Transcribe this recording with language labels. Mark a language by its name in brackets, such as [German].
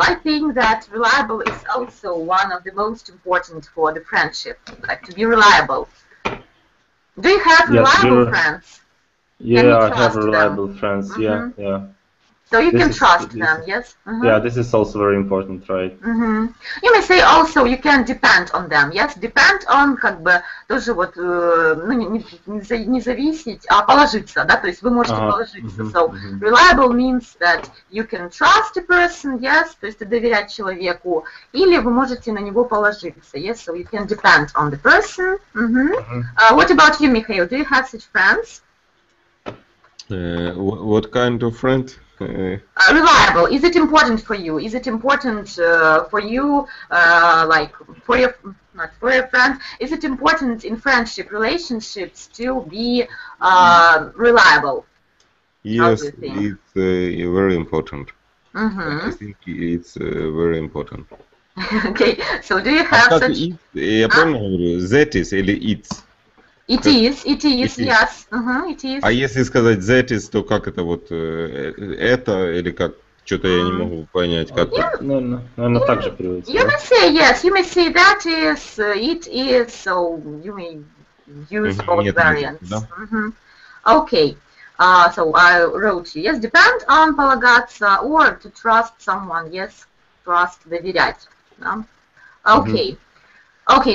[English] I think that reliable is also one of the most important for the friendship, like to be reliable. Do you have reliable friends? Yeah, I have reliable friends, yeah. So you can trust them, yes? Yeah, this is also very important, right? You may say also you can depend on them, yes? Depend on, [Russian] как бы, тоже вот, ну, не зависеть, а положиться, да? То есть вы можете положиться. [English] So reliable means that you can trust a person, yes? [Russian] То есть доверять человеку. Или вы можете на него положиться, [English] yes? So you can depend on the person. What about you, Михаил? Do you have such friends? What kind of friend? Reliable. Is it important for you? Is it important for you, like for your not for your friend? Is it important in friendship relationships to be reliable? Yes, it's very important. Mm-hmm. I think it's very important. Okay, so do you have such... [Russian] Я понял, [English] that is [Russian] или [English] it's? It is, yes. Mm-hmm, it is. [Russian] А если сказать [English] that is, [Russian] то как это вот, это или как? Что-то я не могу понять, как это. Наверное, так же переводится. [English] You may say yes, you may say that is, it is, so you may use both variants. Okay. So I wrote you, yes, depend on полагаться, or to trust someone, yes, trust доверять. No? Okay, mm-hmm. Okay.